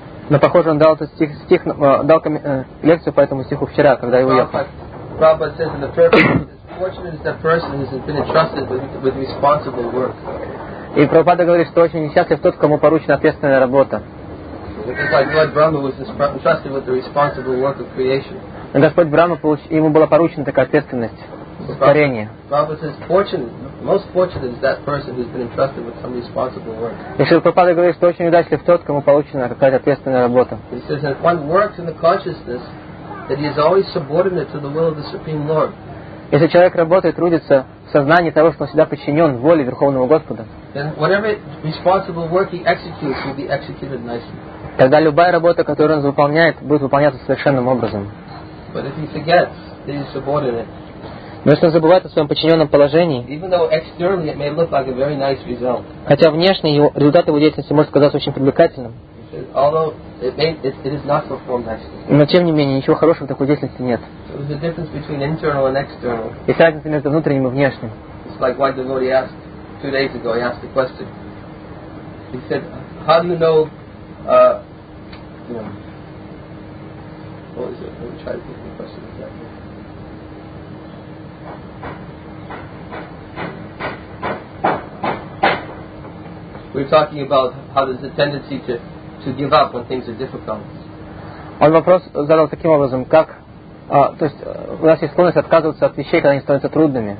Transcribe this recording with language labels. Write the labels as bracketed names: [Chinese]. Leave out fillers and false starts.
[Russian] Но похоже, он дал этот стих дал лекцию по этому стиху вчера, когда я уехал. [English] Prabhupada says in the purpose, fortunate is that person who has been entrusted with responsible work. [Russian] И Прабхупада говорит, что очень несчастлив тот, кому поручена ответственная работа. [English] Because like Lord Brahma was entrusted with the responsible work of creation. [Russian] Господь Брама ему была поручена такая ответственность творения. [English] Prabhupada says fortunate, most fortunate is that person who has been entrusted with some responsible work. [Russian] И Прабхупада говорит, что очень удачлив тот, кому поручена какая-то ответственная работа. [English] He says that one works in the consciousness that he is always subordinate to the will of the Supreme Lord. [Russian] Если человек работает, трудится в сознании того, что он всегда подчинен воле Верховного Господа, [English] then whatever responsible work he executes will be executed nicely. [Russian] Тогда любая работа, которую он выполняет, будет выполняться совершенным образом. [English] But if he forgets that he is subordinate, [Russian] но если он забывает о своем подчиненном положении, [English] even though externally it may look like a very nice result, [Russian] хотя внешне его, результат его деятельности может казаться очень привлекательным, [English] although it is not performed actually. [Russian] Но тем не менее, ничего хорошего в такой деятельности нет. [English] So there's a difference between internal and external. [Russian] И разница между внутренним и внешним. [English] It's like what the devotee asked 2 days ago. He asked a question. He said, how do you know, what is it? Let me try to think of the question exactly. We're talking about how there's a tendency to give up when things are difficult. [Russian] Он вопрос задал таким образом, как, то есть у нас есть склонность отказываться от вещей, когда они становятся трудными.